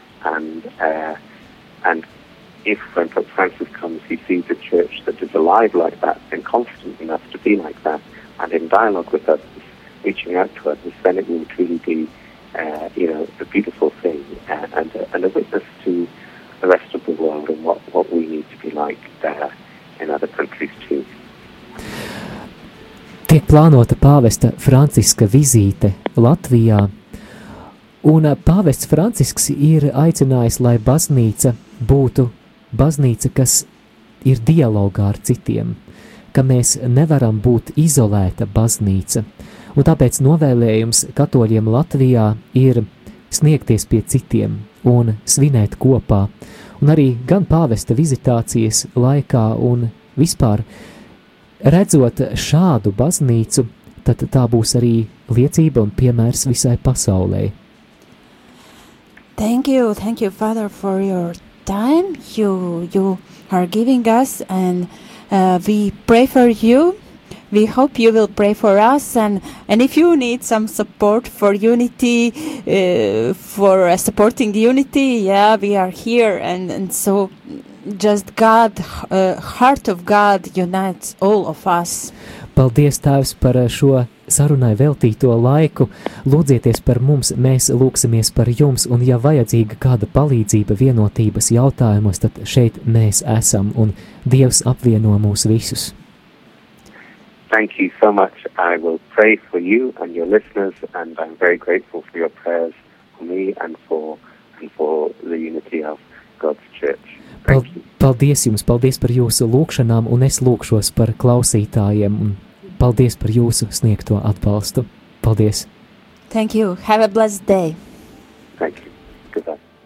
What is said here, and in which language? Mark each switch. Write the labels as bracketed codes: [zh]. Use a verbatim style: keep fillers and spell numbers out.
[en] And uh, and if when Pope Francis comes, he sees a church that is alive like that and confident enough to be like that and in dialogue with others, reaching out to others, then it will truly be, uh, you know, a beautiful thing uh, and, uh, and a witness to the rest of the world and what, what we need to be like there in other countries too. [lv] Tiek plānota pāvesta Franciska vizīte Latvijā, un pāvests Francisks ir aicinājis, lai baznīca būtu baznīca, kas ir dialogā ar citiem, ka mēs nevaram būt izolēta baznīca, un tāpēc novēlējums katoļiem Latvijā ir sniegties pie citiem un svinēt kopā, un arī gan pāvesta vizitācijas laikā un vispār redzot šādu baznīcu, tad tā būs arī liecība un piemērs visai pasaulē. [en] Thank you, thank you, Father, for your time you you are giving us, and uh, we pray for you. We hope you will pray for us, and and if you need some support for unity, uh, for uh, supporting unity, yeah, we are here, and and so just God, uh, heart of God unites all of us. [lv] Paldies, Tēvs, par šo sarunai veltīto laiku. Lūdzieties par mums, mēs lūksimies par jums, un ja vajadzīga kāda palīdzība vienotības jautājumos, tad šeit mēs esam, un Dievs apvieno mūs visus. [en] Thank you so much. I will pray for you and your listeners, and I'm very grateful for your prayers for me and for, and for the unity of God's Church. [lv] Pal- paldies jums, paldies par jūsu lūkšanām, un es lūkšos par klausītājiem, un paldies par jūsu sniegto atbalstu. Paldies. [en] Thank you. Have a blessed day. Thank you. Goodbye.